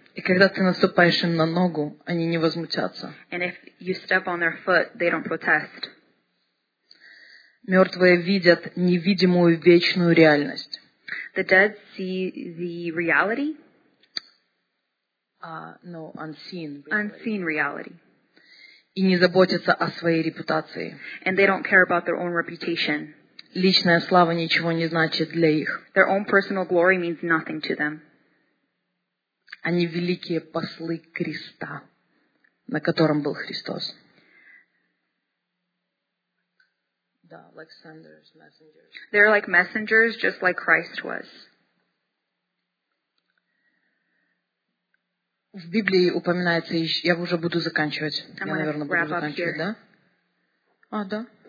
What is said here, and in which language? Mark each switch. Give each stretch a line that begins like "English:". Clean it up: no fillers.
Russian: И когда ты наступаешь им на ногу, они не возмутятся.
English: And if you step on their foot, they don't protest.
Russian: Мертвые видят невидимую вечную реальность.
English: The dead see the reality? No, unseen reality. Unseen reality.
Russian: И не заботятся о своей репутации.
English: And they don't care about their own reputation.
Russian: Личная слава ничего не значит для их.
English: Their own personal glory means nothing to them.
Russian: Они великие послы креста, на котором был Христос.
English: Да, like senders, messengers. They're like messengers, just like Christ was.
Russian: В Библии упоминается еще... Я уже буду заканчивать.
English: I'm
Russian: Я, наверное, буду заканчивать, да? А, да.